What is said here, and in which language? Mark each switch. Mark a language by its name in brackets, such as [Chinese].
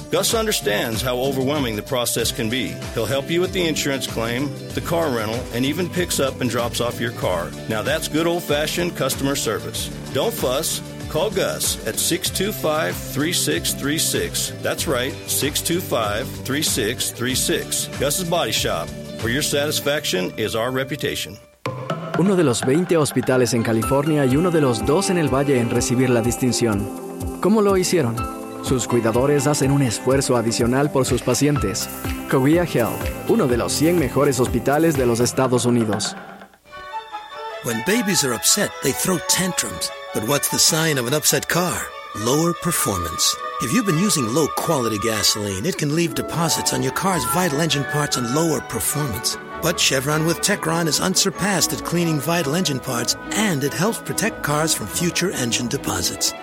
[English] Gus understands how overwhelming the process can be. He'll help you with the insurance claim, the car rental, and even picks up and drops off your car. Now that's good old-fashioned customer service. Don't fuss. Call Gus at 625-3636. That's right, 625-3636. Gus's Body Shop, where your satisfaction is our reputation. [Spanish] Uno de los 20 hospitales en California y uno de los dos en el Valle en recibir la distinción. ¿Cómo lo hicieron? Sus cuidadores hacen un esfuerzo adicional por sus pacientes. Cowea Health, uno de los 100 mejores hospitales de los Estados Unidos. [English] When babies are upset, they throw tantrums. But what's the sign of an upset car? Lower performance. If you've been using low-quality gasoline, it can leave deposits on your car's vital engine parts and lower performance. But Chevron with Techron is unsurpassed at cleaning vital engine parts, and it helps protect cars from future engine deposits.